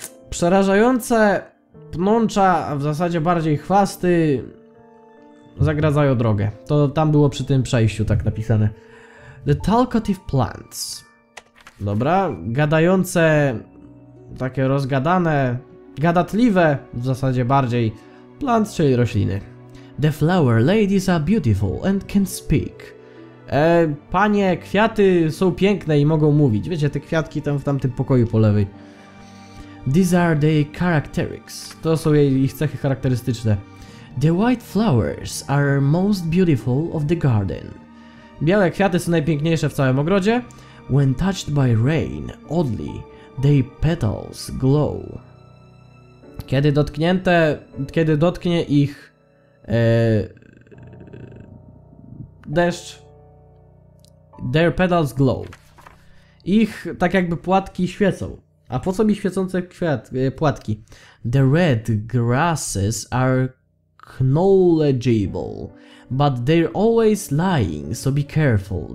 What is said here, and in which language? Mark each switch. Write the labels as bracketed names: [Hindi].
[Polish] Przerażające pnącza, a w zasadzie bardziej chwasty... Zagradzają drogę. To tam było przy tym przejściu tak napisane. [English] The talkative plants. [Polish] Dobra, gadające, takie rozgadane, gadatliwe, w zasadzie bardziej, plants, czyli rośliny. [English] The flower ladies are beautiful and can speak. [Polish] Panie, kwiaty są piękne i mogą mówić. Wiecie, te kwiatki tam w tamtym pokoju po lewej. [English] These are the characteristics. [Polish] To są jej ich cechy charakterystyczne. [English] The white flowers are most beautiful of the garden. [Polish] Białe kwiaty są najpiękniejsze w całym ogrodzie. [English] When touched by rain, oddly, their petals glow. [Polish] Kiedy dotknie ich deszcz, [English] their petals glow. [Polish] Ich tak jakby płatki świecą. A po co mi świecące płatki? [English] The red grasses are knowledgeable, but they're always lying, so be careful.